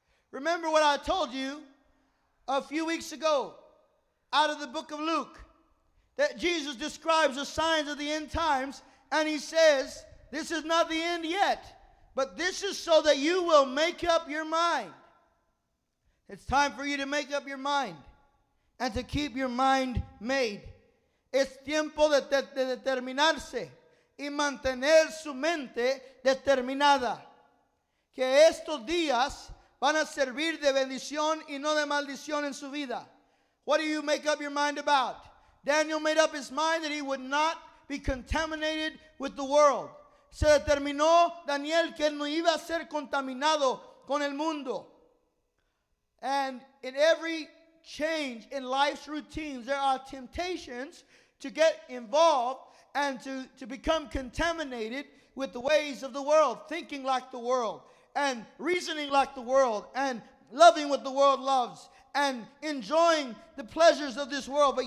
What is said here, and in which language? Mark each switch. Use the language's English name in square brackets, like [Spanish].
[English] Remember what I told you a few weeks ago out of the book of Luke, that Jesus describes the signs of the end times, and he says, this is not the end yet, but this is so that you will make up your mind. It's time for you to make up your mind and to keep your mind made. [Spanish] Es tiempo de determinarse y mantener su mente determinada. Que estos días van a servir de bendición y no de maldición en su vida. [English] What do you make up your mind about? Daniel made up his mind that he would not be contaminated with the world. [Spanish] Se determinó Daniel que no iba a ser contaminado con el mundo. [English] And in every change in life's routines, there are temptations to get involved and to become contaminated with the ways of the world, thinking like the world, and reasoning like the world, and loving what the world loves, and enjoying the pleasures of this world.